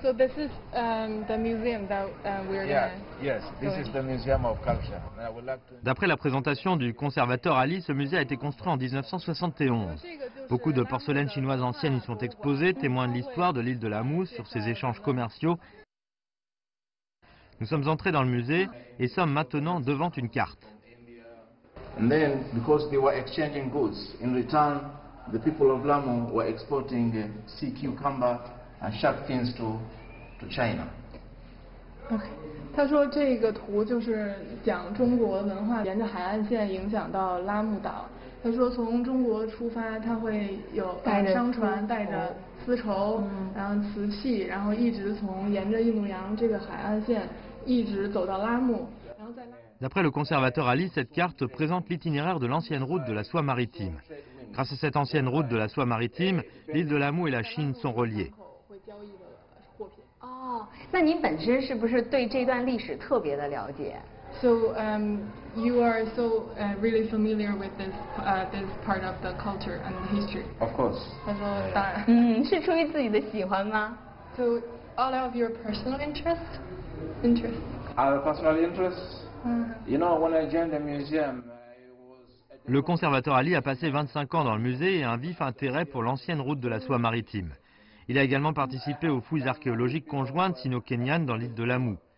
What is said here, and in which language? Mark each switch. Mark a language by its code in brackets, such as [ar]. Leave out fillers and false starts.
[en] So this is the museum that we're in. Yes, this is the Museum of Culture. [fr] D'après la présentation du conservateur Ali, ce musée a été construit en 1971. Beaucoup de porcelaines chinoises anciennes y sont exposées, témoins de l'histoire de l'île de Lamu sur ses échanges commerciaux. Nous sommes entrés dans le musée et sommes maintenant devant une carte. [en] And then, because they were exchanging goods, in return, the people of Lamu were exporting sea cucumber and shark fins to China. [zh] Okay.他说这个图就是讲中国文化沿着海岸线影响到拉姆岛。他说从中国出发，他会有带商船、带着丝绸，然后瓷器，然后一直从沿着印度洋这个海岸线一直走到拉姆。 [fr] D'après le conservateur Ali, cette carte présente l'itinéraire de l'ancienne route de la soie maritime. Grâce à cette ancienne route de la soie maritime, l'île de Lamu et la Chine sont reliées. [zh] Oh, 那您本身是不是对这段历史特别的了解? [en] So, you are so really familiar with this this part of the culture and the history. Of course. [zh] 他说当然。嗯，是出于自己的喜欢吗? [en] So, all of your personal interest? [fr] Le conservateur Ali a passé 25 ans dans le musée et a un vif intérêt pour l'ancienne route de la soie maritime. Il a également participé aux fouilles archéologiques conjointes sino-kenyanes dans l'île de Lamu.